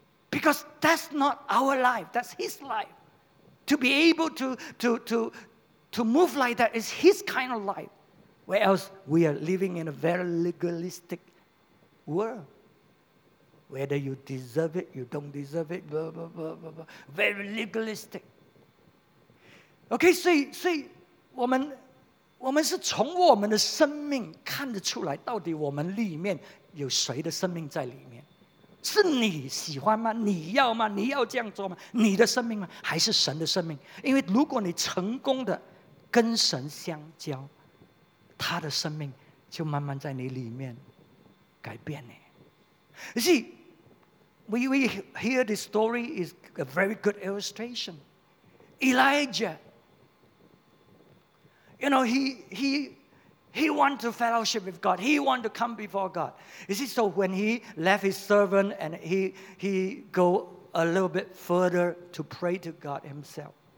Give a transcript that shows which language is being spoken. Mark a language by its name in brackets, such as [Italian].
[English] Because that's not our life, that's His life. To be able to move like that is His kind of life. Where else we are living in a very legalistic world. Whether you deserve it, you don't deserve it, blah, blah, blah, blah, blah. Very legalistic. [Chinese] Okay, 所以我们是从我们的生命看得出来，到底我们里面有谁的生命在里面？是你喜欢吗？你要吗？你要这样做吗？你的生命吗？还是神的生命？因为如果你成功的跟神相交，他的生命就慢慢在你里面改变你。 [English] You see, we hear this story is a very good illustration. Elijah, you know, he wanted to fellowship with God. He wanted to come before God. You see, so when he left his servant and he go a little bit further to pray to God himself.